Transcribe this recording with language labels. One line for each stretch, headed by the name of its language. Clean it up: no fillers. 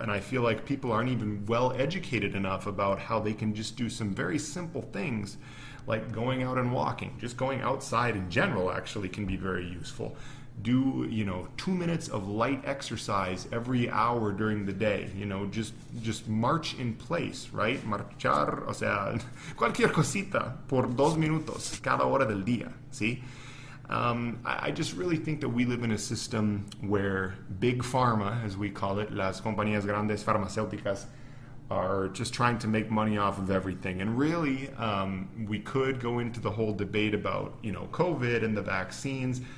English: And I feel like people aren't even well educated enough about how they can just do some very simple things like going out and walking. Just going outside in general actually can be very useful. Do, you know, 2 minutes of light exercise every hour during the day. You know, just march in place, right?
Spanish: Marchar, o sea, cualquier cosita por dos minutos cada hora del día, ¿sí?
English: I just really think that we live in a system where big pharma, as we call it, las compañías grandes farmacéuticas, are just trying to make money off of everything. And really, we could go into the whole debate about, you know, COVID and the vaccines.